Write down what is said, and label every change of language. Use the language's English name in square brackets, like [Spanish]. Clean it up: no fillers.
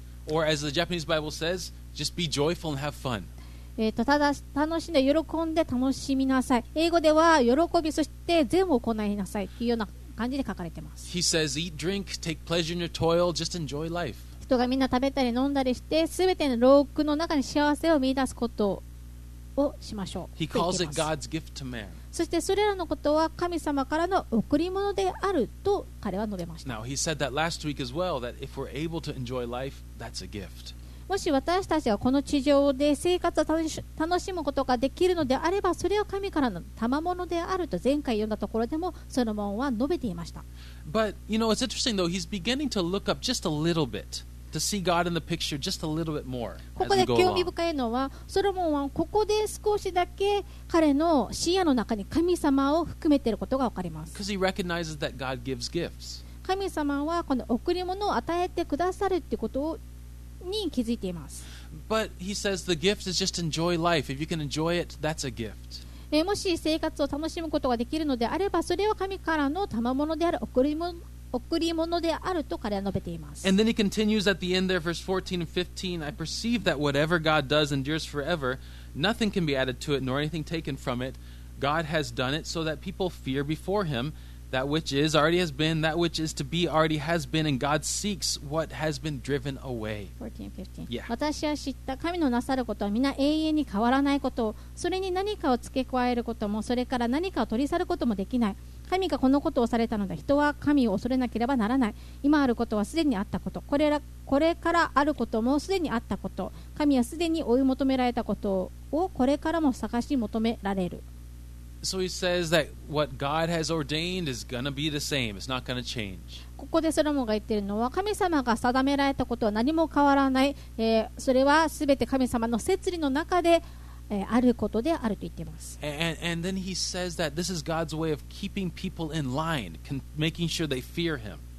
[English] Or as the Japanese Bible says, just be joyful and have fun. [Japanese] ただ楽しんで喜んで楽しみなさい。英語では喜び、そして善を行いなさいというような感じで書かれています。 [English] He says eat, drink, take pleasure in your toil, just enjoy life. [Japanese] 人がみんな食べたり飲んだりして、すべての労苦の中に幸せを見出すことをしましょう。 [English] He calls it God's gift to man. [Japanese] そしてそれらのことは神様からの贈り物であると彼は述べました。 [English] Now, he said that last week as well, that if we're able to enjoy life, that's a gift. [Japanese] もし私たちがこの地上で生活を楽しむことができるのであれば、それは神からの賜物であると前回読んだところでもソロモンは述べていました。 [English] But you know, it's interesting though, he's beginning to look up just a little bitTo see God in the picture just a little bit more. [Japanese] ここで興味深いのは、ソロモンはここで少しだけ彼の視野の中に神様を含めていることが分かります。 [English] Because he recognizes that God gives gifts. [Japanese] 神様はこの贈り物を与えてくださるということに気づいています。 [English] But he says the gift is just enjoy life. If you can enjoy it, that's a gift. [Japanese] もし生活を楽しむことができるのであれば、それは神からの賜物である贈り物であると彼は述べています。 [English] And then he continues at the end there, verse 14 and 15, I perceive that whatever God does endures forever, nothing can be added to it nor anything taken from it. God has done it so that people fear before him, That which is already has been, that which is to be already has been, and God seeks what has been driven away. 14:15. [Japanese] 私は知った神のなさることは皆永遠に変わらないこと、それに何かを付け加えることも、それから何かを取り去ることもできない。神がこのことをされたのだ。人は神を恐れなければならない。今あることはすでにあったこと、これからあることもすでにあったこと、神はすでに追い求められたことをこれからも探し求められる。 [English] So he says that what God has ordained is going to be the same. It's not going to change. [Japanese] ここでソロモンが言っているのは、神様が定められたことは何も変わらない。それはすべて神様の摂理の中で、あることであると言っています。 [English] And then he says that this is God's way of keeping people in line, making sure they fear him.